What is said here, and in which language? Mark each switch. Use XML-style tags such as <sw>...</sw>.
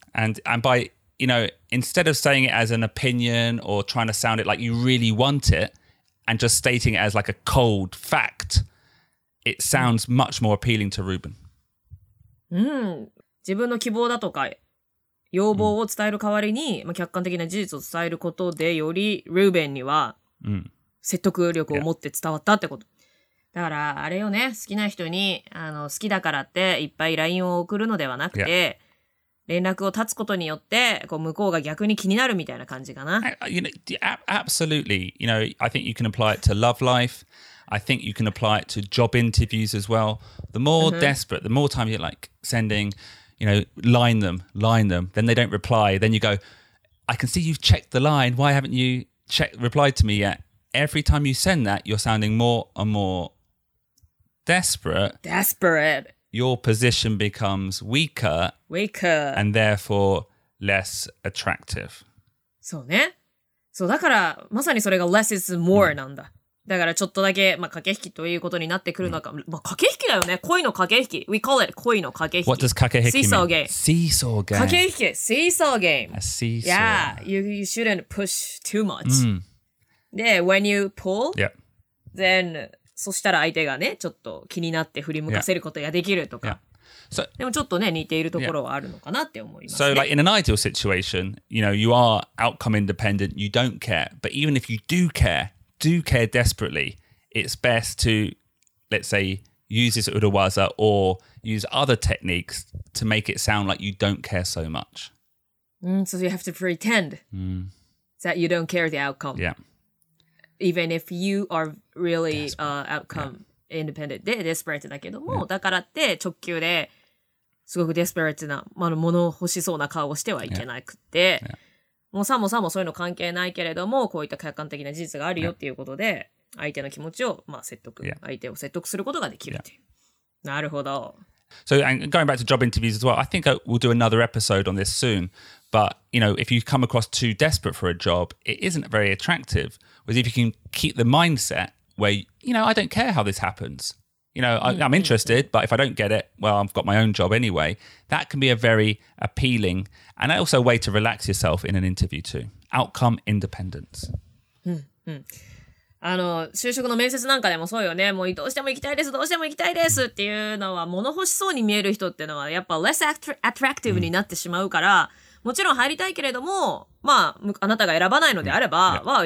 <en>And by, you know, instead of saying it as an opinion or trying to sound it like you really want it and just stating it as like a cold fact, it sounds much more appealing to Ruben. Mm.</en> <ja>自分の希望だとか要望を伝える代わりに、mm. 客観的な事実を伝えることでより Ruben には説得力を持って伝わったってこと。だからあれよね、好きな人に好きだからっていっぱい LINE を送るのではなくて、yeah. 連絡を絶つことによってこう向こうが逆に気になるみたいな感じかな。</ja> <en>You know, absolutely. You know, I think you can apply it to love life. I think you can apply it to job interviews as well. The more desperate, the more time you're like sending, you know, line them, then they don't reply. Then you go, I can see you've checked the line. Why haven't you replied to me yet? Every time you send that, you're sounding more and more desperate. Your position becomes weaker, and therefore less attractive.</en> <ja>そうね。そうだからまさにそれが</ja> <en>less is more</en> <ja>なんだ。だからちょっとだけ、まあ、駆け引きということになってくるのか。まあ、駆け引きだよね。恋の駆け引き。</ja> <en>We call it</en> <ja>恋の駆け引き。</ja> <en>What does 駆け引き mean? Seesaw game. Seesaw game. 駆け引き。Seesaw game. A seesaw. Yeah, you shouldn't push too much. Mm. で、when you pull, yeah. then...</en> <ja>そしたら相手がね、ちょっと気になって振り向かせることができるとか。</ja> <en>Yeah. So,</en> <ja>でもちょっとね、似ているところはあるのかなって思います、ね。</ja> <en>So, like, in an ideal situation, you know, you are outcome independent, you don't care. But even if you do care desperately, it's best to, let's say, use this urawaza or use other techniques to make it sound like you don't care so much.、 Mm, so you have to pretend、 mm. that you don't care the outcome. Yeah. Even if you are really outcome independent</en> <ja>で</ja> <en>desperate</en> <ja>だけども、</ja> <en>yeah.</en> <ja>だからって直球ですごく desperate な、まあ、物欲しそうな顔をしてはいけなくて、yeah. もうさもさもそういうの関係ないけれどもこういった客観的な事実があるよっていうことで、yeah. 相手の気持ちを、まあ、説得、yeah. 相手を説得することができるっていう、yeah. なるほど。</ja> <en>So and going back to job interviews as well, I think we'll do another episode on this soon, but you know, if you come across too desperate for a job, it isn't very attractive. Was if you can keep the mindset where, you know, I don't care how this happens. You know, I'm interested, but if I don't get it, well, I've got my own job anyway. That can be a very appealing and also a way to relax yourself in an interview too. Outcome independence.</en> <ja>あの、就職の面接なんかでもそうよね。もうどうしても行きたいです、どうしても行きたいですっていうのは物欲しそうに見える人っていうのはやっぱ</ja> <en>less attractive</en> <ja>になってしまうから、もちろん入りたいけれども、まあ、あなたが選ばないのであれば、yeah.</ja>